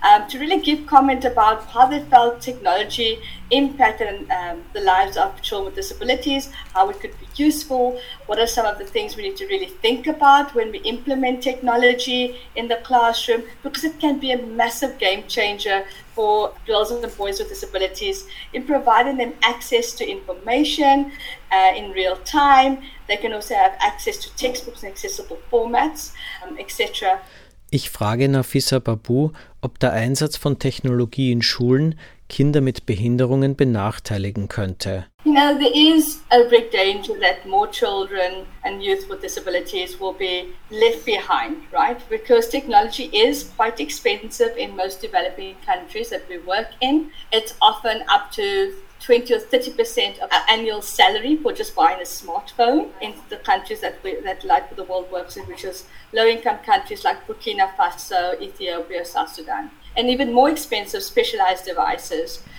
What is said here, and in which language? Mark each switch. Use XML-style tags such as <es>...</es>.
<en>to really give comment about how they felt technology impacted the lives of children with disabilities, how it could be useful, what are some of the things we need to really think about when we implement technology in the classroom, because it can be a massive game changer for girls and boys with disabilities in providing them access to information in real time. They can also have access to textbooks in accessible formats, etc.</en> <de>Ich frage Nafisa Babu, ob der Einsatz von Technologie in Schulen Kinder mit Behinderungen benachteiligen könnte.</de> <en>You know, there is a big danger that more children and youth with disabilities will be left behind, right? Because technology is quite expensive in most developing countries that we work in. It's often up to 20 or 30% of our annual salary for just buying a smartphone in the countries that Light for the World works in, which is low-income countries like Burkina Faso, Ethiopia, South Sudan, and even more expensive specialized devices.</en>